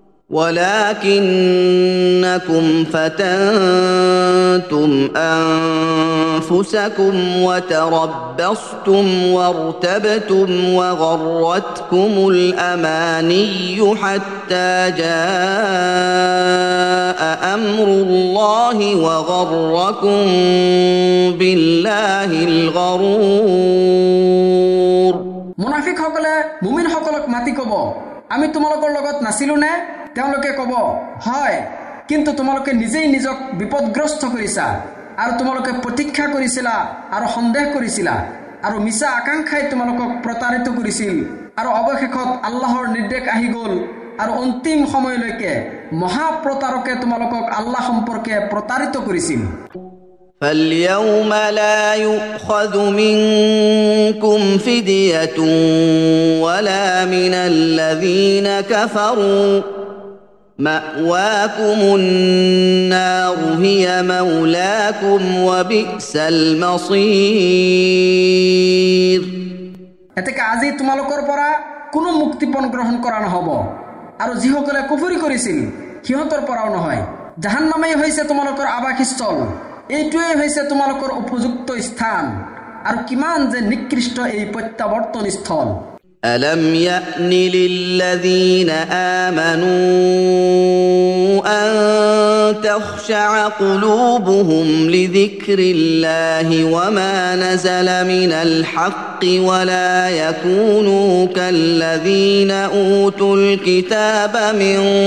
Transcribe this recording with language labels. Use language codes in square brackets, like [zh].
[ar] ولكنكم فتنتم أنفسكم وتربصتم وارتبتم وغرتكم الأماني حتى جاء أمر الله وغركم بالله الغرور منافق حقل مؤمن حقلك ماتي كبو [as] আমি তোমালোকৰ লগত নাছিলো নে তেওঁলোকে ক'ব হয় কিন্তু তোমালোকে নিজেই নিজক বিপদগ্ৰস্ত কৰিছা আৰু তোমালোকে প্ৰতীক্ষা কৰিছিলা আৰু সন্দেহ কৰিছিলা আৰু মিছা আকাংক্ষাই তোমালোকক প্ৰতাৰিত কৰিছিল আৰু অৱশেষত আল্লাহৰ নিৰ্দেশ আহি গ'ল আৰু অন্তিম সময়লৈকে মহাপ্ৰতাৰকে তোমালোকক আল্লাহ সম্পৰ্কে প্ৰতাৰিত কৰিছিল [ar] فاليوم لا يؤخذ منكم فدية ولا من الذين كفروا مأواكم النار هي مولاكم وبئس المصير. [as] এতেকে আজি তোমালোকৰ পৰা কোনো মুক্তিপণ গ্ৰহণ কৰা নহ'ব, আৰু যিসকলে কুফুৰি কৰিছিল সিহঁতৰ পৰাও নহয়। জাহান্নামেই হৈছে তোমালোকৰ আৱাসস্থল, এইটোৱেই হৈছে তোমালোকৰ উপযুক্ত স্থান, আৰু কিমান যে নিকৃষ্ট এই প্ৰত্যাৱৰ্তন স্থল। [ar] أَلَمْ يَأْنِ لِلَّذِينَ آمَنُوا أَن تَخْشَعَ قُلُوبُهُمْ لِذِكْرِ اللَّهِ وَمَا نَزَلَ مِنَ الْحَقِّ وَلَا يَكُونُوا كَالَّذِينَ أُوتُوا الْكِتَابَ مِنْ